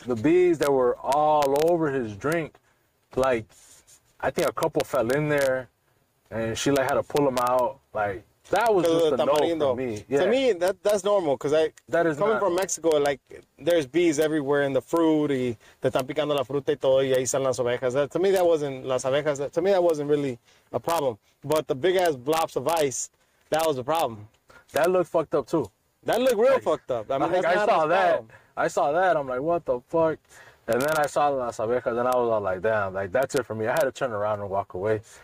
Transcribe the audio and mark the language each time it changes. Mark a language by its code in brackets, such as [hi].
[en] The bees that were all over his drink. Like, I think a couple fell in there, and she, like, had to pull them out, like, that was just a no for me. Yeah. To me, that's normal because from Mexico, like, there's bees everywhere in the fruit. [es] Y te están picando la fruta y todo, y ahí están las abejas. [en] That, to me, that wasn't [es] las abejas. [en] That, to me, that wasn't really a problem. But the big ass blobs of ice, that was a problem. That looked fucked up too. That looked real, like, fucked up. I mean, like, that's not saw that. I saw that. I'm like, what the fuck? And then I saw [es] las abejas, [en] and I was all like, damn, like, that's it for me. I had to turn around and walk away.